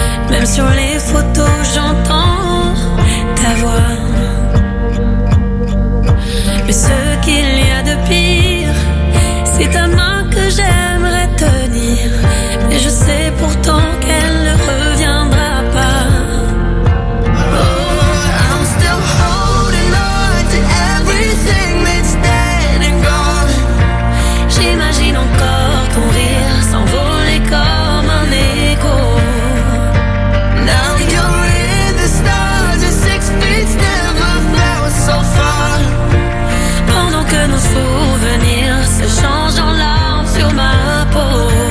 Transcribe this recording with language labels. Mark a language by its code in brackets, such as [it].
[fr] Même sur les photos, j'entends ta voix. Mais ce qu'il y a de pire, c'est ta main que j'aimerais tenir. Et je sais pourtant qu'elle ne reviendra pas. [en] Oh, I'm still holding on to everything that's dead and gone. [fr] J'imagine encore ton rire s'envoler comme un écho. [en] Now you're in the stars, and 6 feet never fell so far. [fr] Pendant que nos souvenirs se changent en larmes sur ma peau.